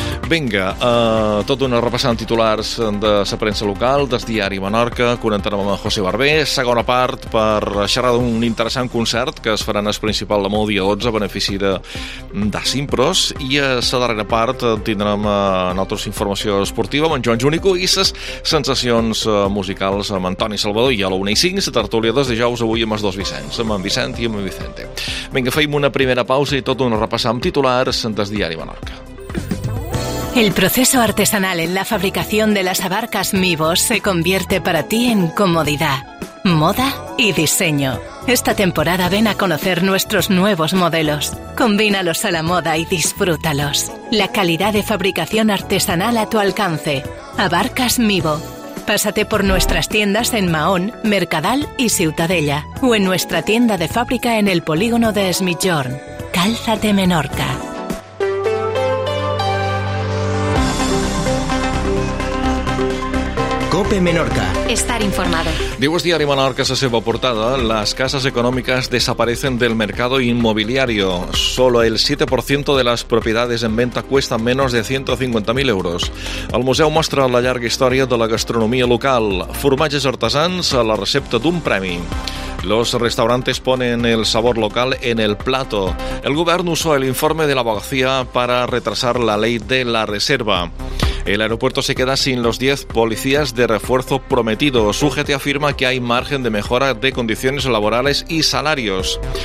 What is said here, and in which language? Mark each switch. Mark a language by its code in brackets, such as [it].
[ca] Vinga, tot una repassant titulars de la premsa local, del diari Menorca, connectarem amb José Barber, segona part per xerrar d'un interessant concert que es farà en el principal demà, dia 12, a benefici de Simpros, i a la darrera part tindrem altres informació esportiva amb en Joan Junico i ses sensacions musicals amb en Toni Salvador, i a la 1:05, la tertúlia dels dijous avui amb els dos Vicents, amb en Vicent i amb en Vicente. Vinga, feim una primera pausa i tot una repassant titulars del diari Menorca. [es] El proceso artesanal en la fabricación de las abarcas Mibos se convierte para ti en comodidad, moda y diseño. Esta temporada ven a conocer nuestros nuevos modelos. Combínalos a la moda y disfrútalos. La calidad de fabricación artesanal a tu alcance. Abarcas Mibo. Pásate por nuestras tiendas en Mahón, Mercadal y Ciutadella. O en nuestra tienda de fábrica en el polígono de Es Migjorn. Cálzate Menorca. COPE Menorca. Estar informado. [ca] Diu el diari Menorca a seva portada: [es] las casas económicas desaparecen del mercado inmobiliario. Solo el 7% de las propiedades en venta cuestan menos de 150.000 euros. [ca] El museu mostra la llarga història de la gastronomia local. Formatges artesans a la recepta d'un premi. [es] Los restaurantes ponen el sabor local en el plato. El govern usó el informe de la abogacía para retrasar la ley de la reserva. El aeropuerto se queda sin los 10 policías de refuerzo prometidos. UGT afirma que hay margen de mejora de condiciones laborales y salarios.